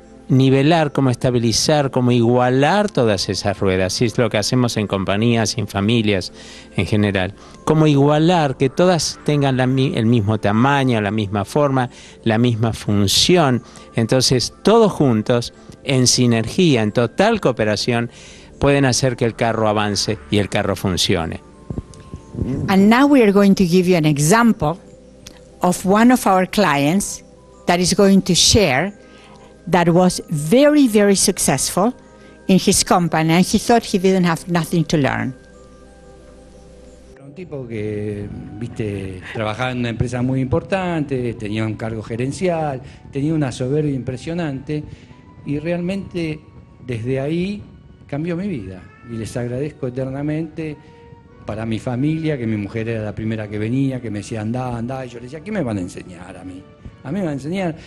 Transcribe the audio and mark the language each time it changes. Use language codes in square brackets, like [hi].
[es] nivelar, cómo estabilizar, cómo igualar todas esas ruedas, si es lo que hacemos en compañías, en familias en general, cómo igualar que todas tengan el mismo tamaño, la misma forma, la misma función. Entonces, todos juntos, en sinergia, en total cooperación, pueden hacer que el carro avance y el carro funcione. [en] And now we are going to give you an example of one of our clients that is going to share that was very, very successful in his company and he thought he didn't have nothing to learn. [es] Un tipo que, viste, trabajaba en una empresa muy importante, tenía un cargo gerencial, tenía una soberbia impresionante y realmente desde ahí cambió mi vida y les agradezco eternamente. Para mi familia, que mi mujer era la primera que venía, que me decía andá, andá, y yo le decía, ¿qué me van a enseñar a mí? A mí me van a enseñar.